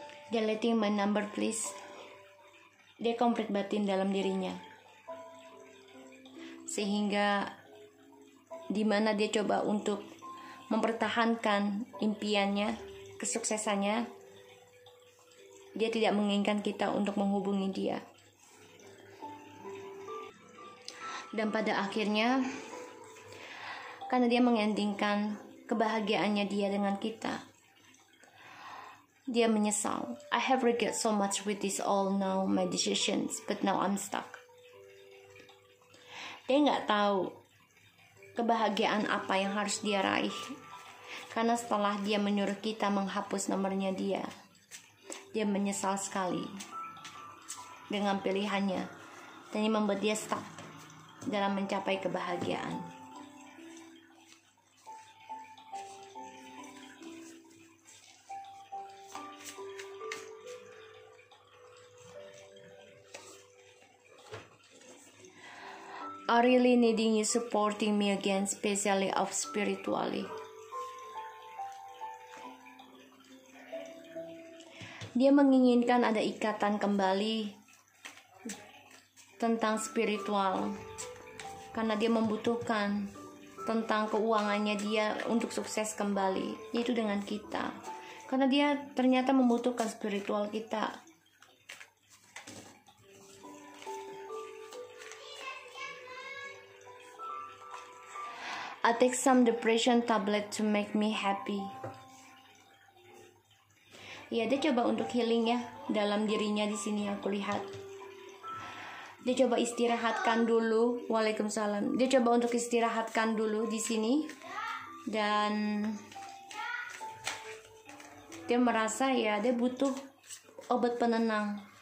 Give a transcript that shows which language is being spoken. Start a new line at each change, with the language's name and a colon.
English: Deleting my number please.
Indonesian: Dia konflik batin dalam dirinya, sehingga di mana dia coba untuk mempertahankan impiannya, kesuksesannya, dia tidak menginginkan kita untuk menghubungi dia. Dan pada akhirnya, karena dia mengendingkan kebahagiaannya dia dengan kita, dia menyesal.
English: I have regret so much with this all now, my decisions, but now I'm stuck.
Indonesian: Dia gak tahu kebahagiaan apa yang harus dia raih. Karena setelah dia menyuruh kita menghapus nomornya dia, dia menyesal sekali dengan pilihannya. Dan ini membuat dia stuck dalam mencapai kebahagiaan.
English: I really needing you supporting me again, especially of spiritually.
Indonesian: Dia menginginkan ada ikatan kembali tentang spiritual, karena dia membutuhkan tentang keuangannya dia untuk sukses kembali, yaitu dengan kita. Karena dia ternyata membutuhkan spiritual kita.
English: I take some depression tablet to make me happy.
Indonesian: Ya, dia coba untuk healing ya dalam dirinya di sini yang kulihat. Dia coba istirahatkan dulu. Waalaikumsalam. Dia coba untuk istirahatkan dulu di sini. Dan dia merasa ya dia butuh obat penenang.